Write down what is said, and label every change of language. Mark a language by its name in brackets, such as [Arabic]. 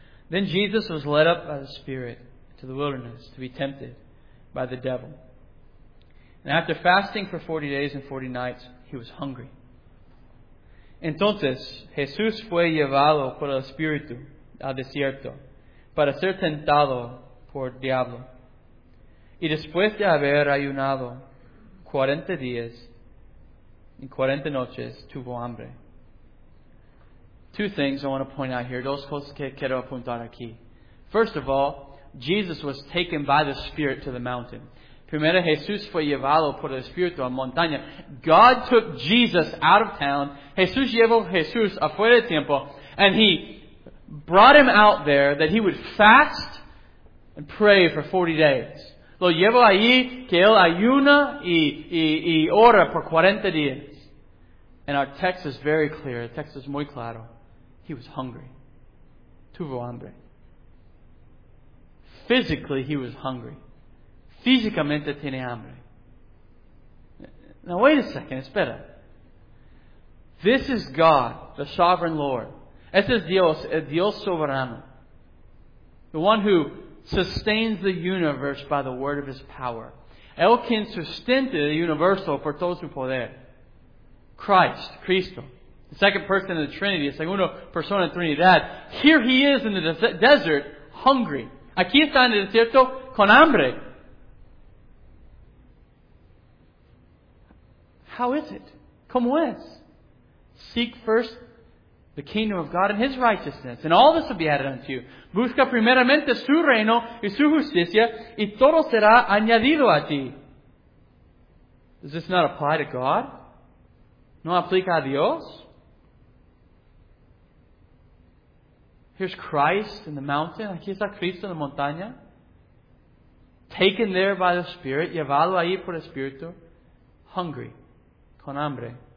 [English] Then Jesus was led up by the Spirit to the wilderness to be tempted by the devil. And after fasting for 40 days and 40 nights, he was hungry. [Spanish] Entonces, Jesús fue llevado por el Espíritu al desierto para ser tentado por el diablo. Y después de haber ayunado 40 días y 40 noches, tuvo hambre. [English] Two things I want to point out here. [Spanish] Dos cosas que quiero apuntar aquí. [English] First of all, Jesus was taken by the Spirit to the mountain. [Spanish] Primero, Jesús fue llevado por el Espíritu a montaña. [English] God took Jesus out of town. [Spanish] Jesús llevó Jesús afuera del templo. [English] And he brought him out there that he would fast and pray for 40 days. [Spanish] Lo llevó allí que él ayuna y ora por 40 días. [English] And our text is very clear. The text is [Spanish] muy claro. [English] He was hungry. [Spanish] Tuvo hambre. [English] Physically, he was hungry. [Spanish] Físicamente tiene hambre. [English] Now, wait a second, it's better. This is God, the sovereign Lord. [Spanish] Este es Dios, el Dios soberano. [English] The one who sustains the universe by the word of His power. [Spanish] El quien sustente el universo por todo su poder. [English] Christ, Cristo. The second person in the Trinity, the [Spanish] segunda persona en Trinidad. [English] Here He is in the desert, hungry. [Spanish] Aquí está en el desierto, con hambre. [English] How is it? [Spanish] ¿Cómo es? [English] Seek first the kingdom of God and His righteousness, and all this will be added unto you. [Spanish] Busca primeramente su reino y su justicia, y todo será añadido a ti. [English] Does this not apply to God? [Spanish] ¿No aplica a Dios? [English] Here's Christ in the mountain. [Spanish] Aquí está Cristo en la montaña. [English] Taken there by the Spirit, [Spanish] llevado ahí por el Espíritu, [English] hungry, [Spanish] con hambre.